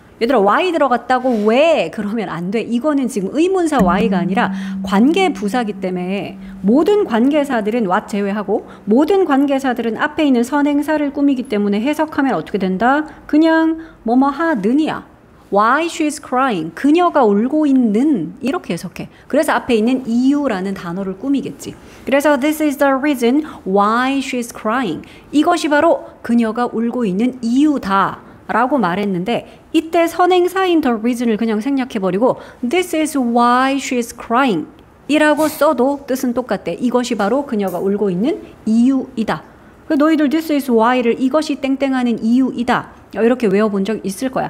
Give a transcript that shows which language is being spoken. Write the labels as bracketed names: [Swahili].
[Korean] 얘들아 why 들어갔다고 왜 그러면 안 돼. 이거는 지금 의문사 why가 아니라 관계 부사기 때문에 모든 관계사들은 what 제외하고 모든 관계사들은 앞에 있는 선행사를 꾸미기 때문에 해석하면 어떻게 된다? 그냥 뭐뭐 하느냐. [English] Why she is crying. [Korean] 그녀가 울고 있는 이렇게 해석해. 그래서 앞에 있는 이유라는 단어를 꾸미겠지. 그래서 [English] this is the reason why she is crying. [Korean] 이것이 바로 그녀가 울고 있는 이유다 라고 말했는데 이때 선행사인 the reason을 그냥 생략해버리고 [English] this is why she is crying [Korean] 이라고 써도 뜻은 똑같대. 이것이 바로 그녀가 울고 있는 이유이다. 너희들 this is why를 이것이 땡땡하는 이유이다 이렇게 외워본 적 있을 거야.